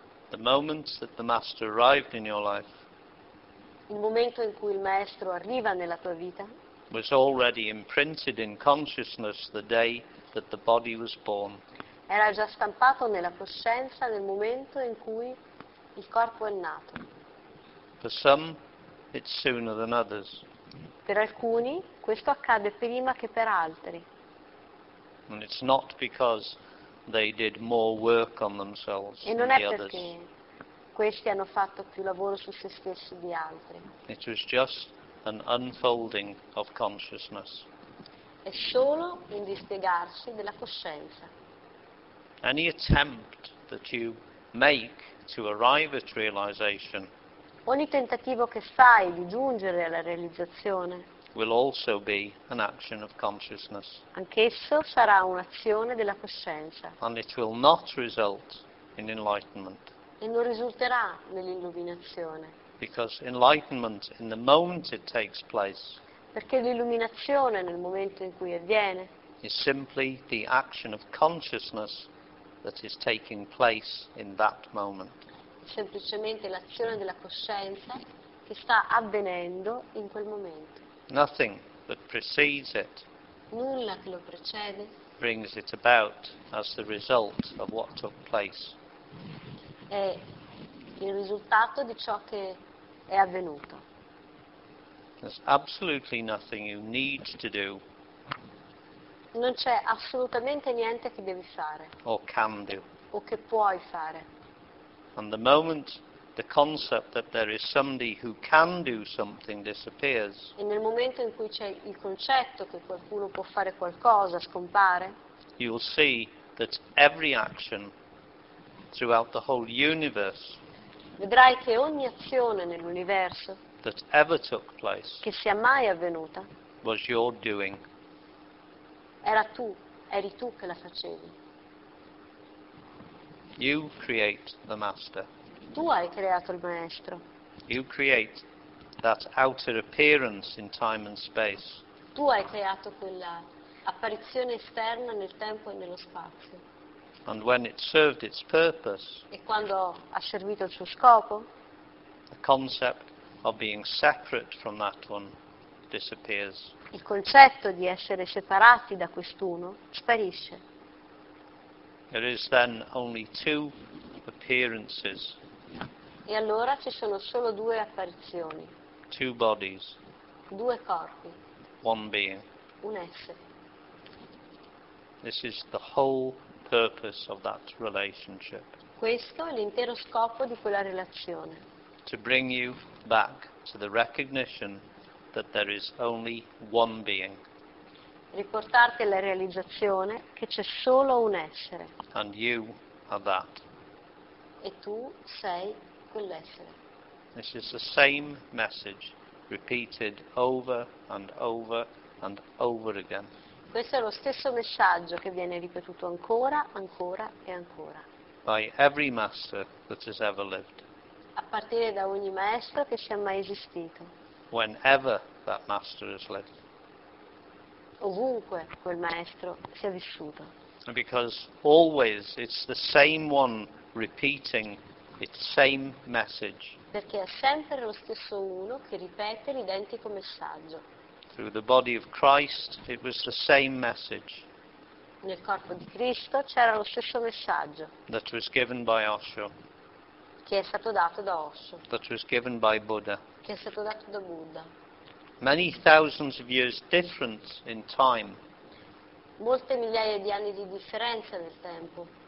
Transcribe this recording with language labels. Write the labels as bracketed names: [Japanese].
[English] The moment that the master arrived in your life. [Italian] Il momento in cui il maestro arriva nella tua vita. [English] Was already imprinted in consciousness the day that the body was born. [Italian] Era già stampato nella coscienza nel momento in cui il corpo è nato. [English] For some, it's sooner than others. [Italian] Per alcuni questo accade prima che per altri. [English] And it's not because they did more work on themselves [Italian] e [English] than [Italian] non è [English] the [Italian] perché [English] others. [Italian] Questi hanno fatto più lavoro su se stessi di altri. [English] It was just an unfolding of consciousness. [Italian] È solo un dispiegarsi della coscienza. [English] Any attempt that you make to arrive at realization. [Italian] Ogni tentativo che fai di giungere alla realizzazione [English] will also be an action of consciousness. [Italian] Anch'esso sarà un'azione della coscienza. [English] And it will not result in enlightenment. [Italian] E non risulterà nell'illuminazione. [English] Because enlightenment in the moment it takes place. [Italian] Perché l'illuminazione nel momento in cui avviene [English] is simply the action of consciousness that is taking place in that moment. [Italian] Semplicemente l'azione della coscienza che sta avvenendo in quel momento. [English] Nothing that precedes it. [Italian] Nulla che lo precede. [English] Brings it about as the result of what took place. [Italian] È il risultato di ciò che è avvenuto. [English] There's absolutely nothing you need to do. [Italian] Non c'è assolutamente niente che devi fare. [English] Or can do. [Italian] O che puoi fare. [English] And the moment the concept that there is somebody who can do something disappears. [Italian] E nel momento in cui c'è il concetto che qualcuno può fare qualcosa scompare. [English] You'll see that every action throughout the whole universe. [Italian] Vedrai che ogni azione nell'universo. [English] That ever took place. [Italian] Che sia mai avvenuta. [English] Was your doing. [Italian] Era tu, eri tu che la facevi. [English] You create the master. [Italian] Tu hai creato il maestro. [English] You create that outer appearance in time and space. [Italian] Tu hai creato quella apparizione esterna nel tempo e nello spazio. [English] And when it served its purpose. [Italian] E quando ha servito il suo scopo. [English] The concept of being separate from that one disappears. [Italian] Il concetto di essere separati da quest'uno sparisce. [English] There is then only two appearances. [Italian] E allora ci sono solo due apparizioni. [English] Two bodies. [Italian] Due corpi. [English] One being. [Italian] Un essere. [English] This is the whole purpose of that relationship. [Italian] Questo è l'intero scopo di quella relazione. [English] To bring you back to the recognition that there is only one being. [Italian] Riportarti alla realizzazione che c'è solo un essere. [English] And you are that. [Italian] E tu sei quell'essere. [English] This is the same message repeated over and over and over again. [Italian] Questo è lo stesso messaggio che viene ripetuto ancora, ancora e ancora. [English] By every master that has ever lived. [Italian] A partire da ogni maestro che sia mai esistito. [English] Whenever that master has lived. [Italian] Ovunque quel maestro sia vissuto. [English] Because always it's the same one repeating its same message. [Italian] Perché è sempre lo stesso uno che ripete l'identico messaggio. [English] Through the body of Christ it was the same message. [Italian] Nel corpo di Cristo c'era lo stesso messaggio. [English] That was given by Osho. [Italian] Che è stato dato da Osho. [English] That was given by Buddha. [Italian] Che è stato dato da Buddha. [English] Many thousands of years difference in time. [Italian] Molte migliaia di anni di differenza nel tempo.